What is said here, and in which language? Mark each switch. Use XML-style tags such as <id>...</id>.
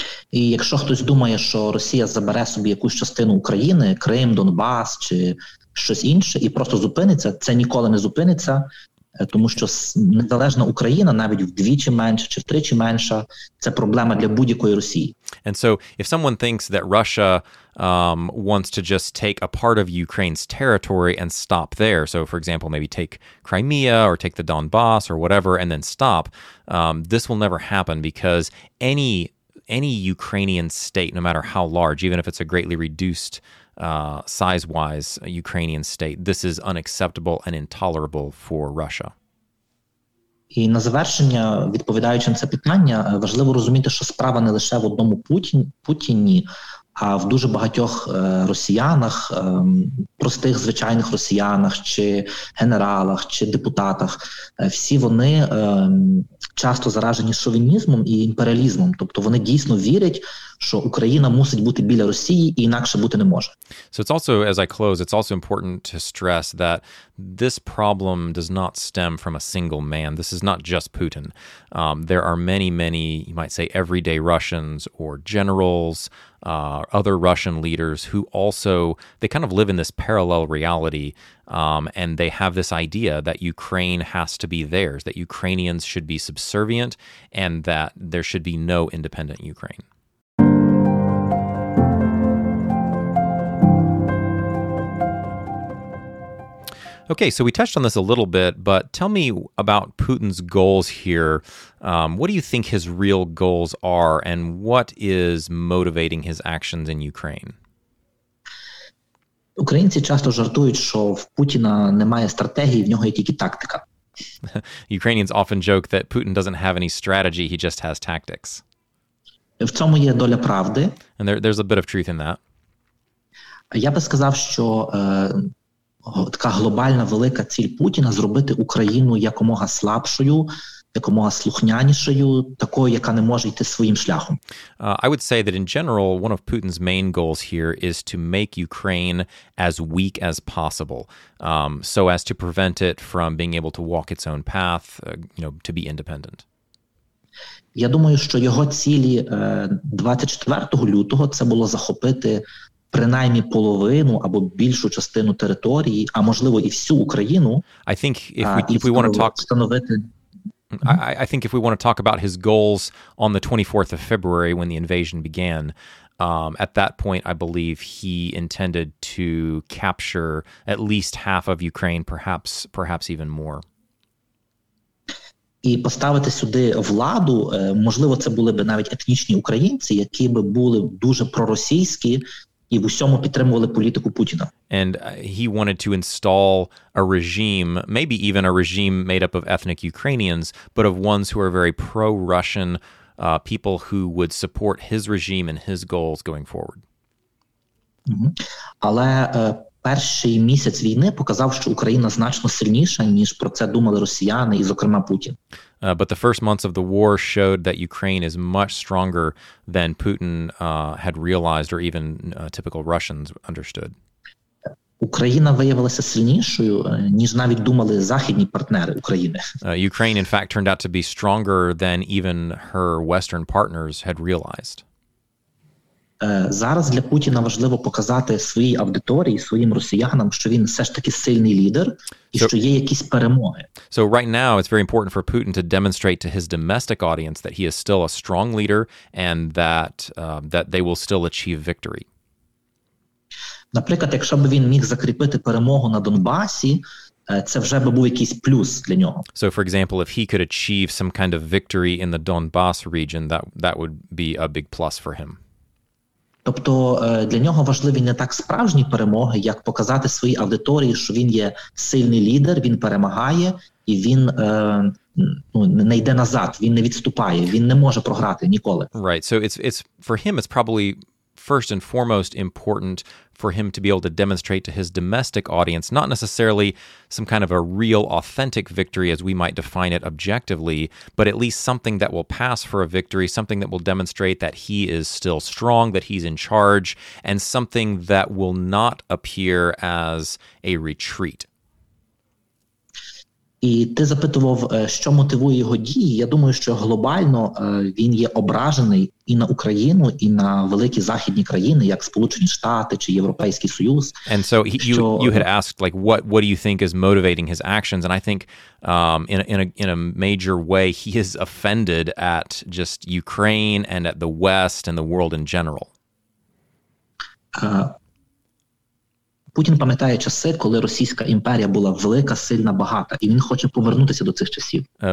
<uk>І якщо хтось думає, що Росія забере собі якусь частину України, Крим, Донбас чи щось інше, і просто зупиниться, це ніколи не зупиниться, тому що незалежна Україна, навіть вдвічі менша чи втричі менша, це проблема для будь-якої Росії.</uk> <en>And so, if someone thinks that Russia wants to just take a part of Ukraine's territory and stop there, so for example, maybe take Crimea or take the Donbas or whatever and then stop, this will never happen because any Ukrainian state, no matter how large, even if it's a greatly reduced size-wise Ukrainian state, this is unacceptable and intolerable for Russia.</en> <uk>І на завершення, відповідаючи на це питання, важливо розуміти, що справа не лише в одному Путіні, а в дуже багатьох росіянах, простих звичайних росіянах, чи генералах, чи депутатах. Всі вони часто заражені шовінізмом і імперіалізмом. Тобто вони дійсно вірять, що Україна мусить бути біля Росії, і інакше бути не може.</uk> <en>So it's also, as I close, it's also important to stress that this problem does not stem from a single man. This is not just Putin. There are many, many, you might say, everyday Russians or generals, other Russian leaders who also, they kind of live in this parallel reality, and they have this idea that Ukraine has to be theirs, that Ukrainians should be subservient, and that there should be no independent Ukraine. Okay, so we touched on this a little bit, but tell me about Putin's goals here. What do you think his real goals are, and what is motivating his actions in Ukraine?</en> <uk>Українці часто жартують, що в Путіна немає стратегії, в нього є тільки тактика.</uk> <en>Ukrainians often joke that Putin doesn't have any strategy, he just has tactics.</en> <uk>В цьому є доля правди.</uk> <en>And there's a bit of truth in that.</en> <uk>Я би сказав, що така глобальна велика ціль Путіна – зробити Україну якомога слабшою, якомога слухнянішою, такою, яка не може йти своїм шляхом.</uk> <en>I would say that in general, one of Putin's main goals here is to make Ukraine as weak as possible, so as to prevent it from being able to walk its own path, you know, to be independent.</en> <uk>Я думаю, що його цілі 24 лютого – це було захопити принаймні половину або більшу частину території, а можливо і всю Україну.</uk> <en>I think if we want to talk</en> <uk>встановити...</uk> <en>I think if we want to talk about his goals on the 24th of February when the invasion began, at that point I believe he intended to capture at least half of Ukraine, perhaps even more.</en> <uk>І поставити сюди владу, можливо, це були б навіть етнічні українці, які б були дуже проросійські і в усьому підтримували політику Путіна.</uk> <en>And he wanted to install a regime, maybe even a regime made up of ethnic Ukrainians, but of ones who are very pro-Russian, people who would support his regime and his goals going forward. Mm-hmm.</en> <uk>Але перший місяць війни показав, що Україна значно сильніша, ніж про це думали росіяни і, зокрема, Путін.</uk> <en>But the first months of the war showed that Ukraine is much stronger than Putin had realized or even typical Russians understood.</en> <uk>Україна виявилася сильнішою, ніж навіть думали західні партнери України.</uk> <en>Ukraine, in fact, turned out to be stronger than even her Western partners had realized.</en> <uk>Зараз для Путіна важливо показати своїй аудиторії, своїм росіянам, що він все ж таки сильний лідер і що є якісь перемоги.</uk> <en>So right now it's very important for Putin to demonstrate to his domestic audience that he is still a strong leader and that that they will still achieve victory.</en> <uk>Наприклад, якщо б він міг закріпити перемогу на Донбасі, це вже би був якийсь плюс для нього.</uk> <en>So for example, if he could achieve some kind of victory in the Donbas region, that would be a big plus for him.</en> <uk>Тобто для нього важливі не так справжні перемоги, як показати своїй аудиторії, що він є сильний лідер, він перемагає, і він не йде назад, він не відступає, він не може програти ніколи.</uk> <en>Right, so it's for him, it's probably first and foremost important for him to be able to demonstrate to his domestic audience, not necessarily some kind of a real authentic victory as we might define it objectively, but at least something that will pass for a victory, something that will demonstrate that he is still strong, that he's in charge, and something that will not appear as a retreat.</en> <uk>І ти запитував, що мотивує його дії. Я думаю, що глобально він є ображений і на Україну, і на великі західні країни, як Сполучені Штати чи Європейський Союз.</uk> <en>And so you had asked, like, what do you think is motivating his actions? And I think in a major way, he is offended at just Ukraine and at the West and the world in general.</en> <uk>Путін пам'ятає часи, коли Російська імперія була велика, сильна, багата, і він хоче повернутися до цих часів.</uk>